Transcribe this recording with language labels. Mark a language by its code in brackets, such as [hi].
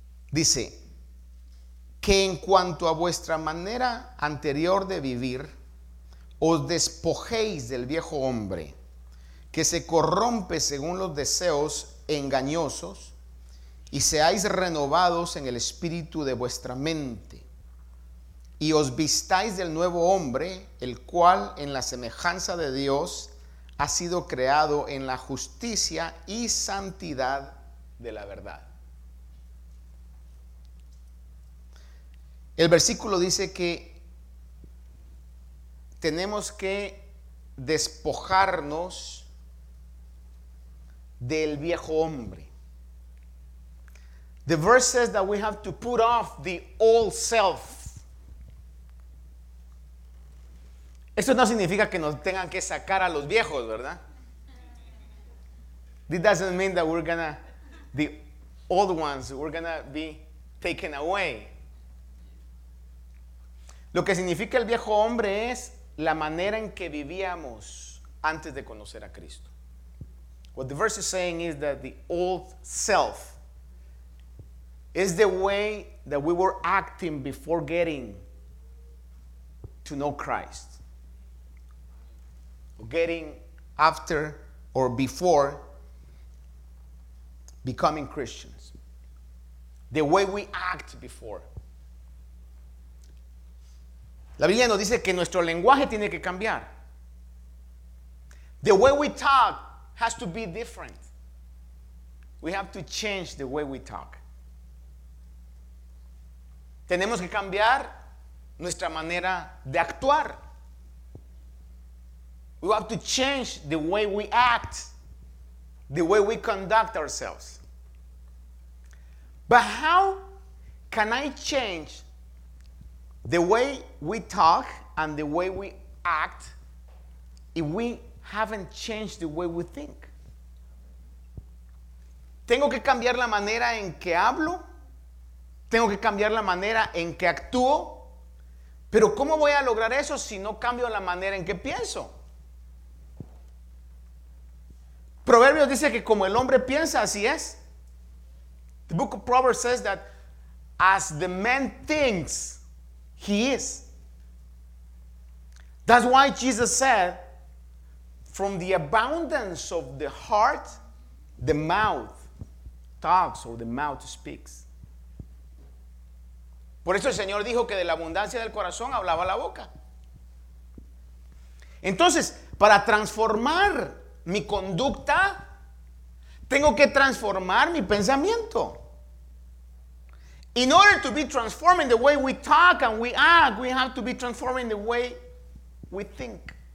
[es] Dice, que en cuanto a vuestra manera anterior de vivir, os despojéis del viejo hombre, que se corrompe según los deseos engañosos, y seáis renovados en el espíritu de vuestra mente, y os vistáis del nuevo hombre, el cual en la semejanza de Dios ha sido creado en la justicia y santidad de la verdad. El versículo dice que tenemos que despojarnos del viejo hombre. [en] The verse says that we have to put off the old self. [es] Esto no significa que nos tengan que sacar a los viejos, ¿verdad? [en] It doesn't mean that we're gonna, the old ones, we're gonna be taken away. [es] Lo que significa el viejo hombre es la manera en que vivíamos antes de conocer a Cristo. [en] What the verse is saying is that the old self is the way that we were acting before getting to know Christ. Getting after or before becoming Christians. The way we act before. [es] La Biblia nos dice que nuestro lenguaje tiene que cambiar. [en] The way we talk has to be different. We have to change the way we talk. [es] Tenemos que cambiar nuestra manera de actuar. [en] We have to change the way we act, the way we conduct ourselves. But how can I change the way we talk and the way we act if we haven't changed the way we think? [es] Tengo que cambiar la manera en que hablo, tengo que cambiar la manera en que actúo, pero ¿cómo voy a lograr eso si no cambio la manera en que pienso? Proverbios dice que como el hombre piensa, así es. [en] The book of Proverbs says that as the man thinks, he is. That's why Jesus said, from the abundance of the heart, the mouth talks, or the mouth speaks. [es] Por eso el Señor dijo que de la abundancia del corazón hablaba la boca. Entonces, para transformar mi conducta, tengo que transformar mi pensamiento. [en] In order to be transforming the way we talk and we act, we have to be transforming the way we think.